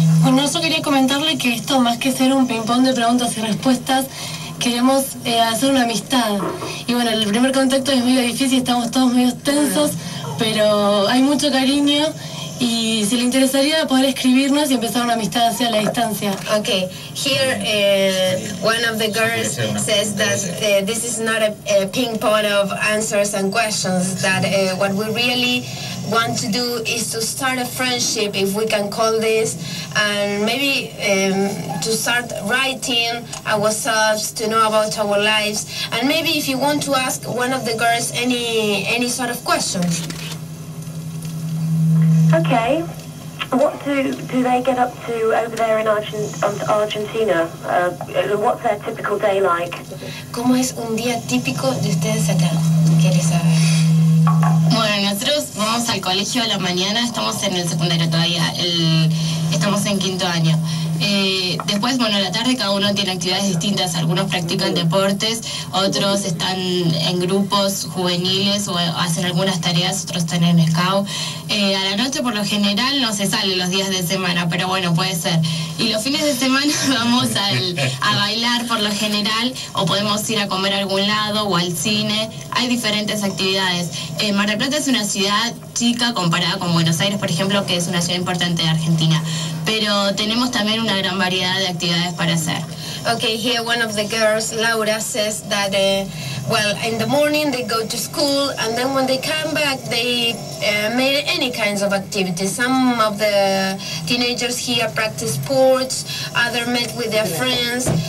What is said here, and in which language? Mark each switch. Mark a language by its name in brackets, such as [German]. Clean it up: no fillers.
[Spanish] Bueno, yo quería comentarle que esto, más que ser un ping-pong de preguntas y respuestas, queremos hacer una amistad. Y bueno, el primer contacto es medio difícil, estamos todos medio tensos, pero hay mucho cariño. Y si le interesaría poder escribirnos y empezar una amistad hacia la distancia. [English] Okay, here one of the girls says that this is not a ping pong of answers and questions, that what we really want to do is to start a friendship, if we can call this, and maybe to start writing ourselves, to know about our lives, and maybe if you want to ask one of the girls any sort of questions. Okay, what do they get up to over there in Argentina? What's their typical day like? [Spanish] ¿Cómo es un día típico de ustedes acá? ¿Quieres saber? Bueno, nosotros vamos al colegio a la mañana, estamos en el secundario todavía, estamos en quinto año. Después, bueno, a la tarde cada uno tiene actividades distintas, algunos practican deportes, otros están en grupos juveniles o hacen algunas tareas, otros están en scout. A la noche por lo general no se sale los días de semana, pero bueno, puede ser. Y los fines de semana vamos a bailar por lo general, o podemos ir a comer a algún lado o al cine. Hay diferentes actividades. Mar del Plata es una ciudad chica comparada con Buenos Aires, por ejemplo, que es una ciudad importante de Argentina. Pero tenemos también una gran variedad de actividades para hacer. [English] Okay, here one of the girls, Laura, says that, well, in the morning they go to school, and then when they come back, they made any kinds of activities. Some of the teenagers here practice sports, others met with their friends.